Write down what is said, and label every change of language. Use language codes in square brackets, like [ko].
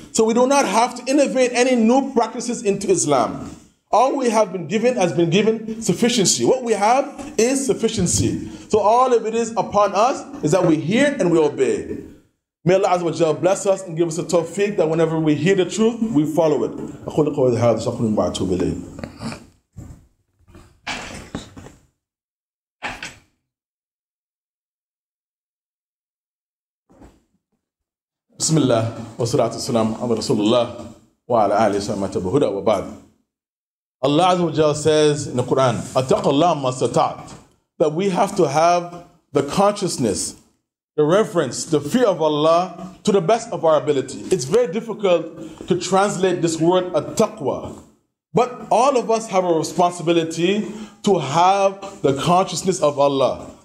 [en] So we do not have to innovate any new practices into Islam. All we have been given has been given sufficiency. What we have is sufficiency. So all of it is upon us is that we hear and we obey. May Allah Azza wa Jalla bless us and give us a tawfiq that whenever we hear the truth, we follow it. [ar] أقول قول هذا شكرا وأتوب إليه. بسم الله والصلاة والسلام على رسول الله وعلى آله وصحبه وبهدى وبعد. [en] Allah Azza wa Jalla says in the Quran, [ar] "Attaqallaha ma istata'at," [en] that we have to have the consciousness, the reverence, the fear of Allah to the best of our ability. It's very difficult to translate this word attaqwa, but all of us have a responsibility to have the consciousness of Allah.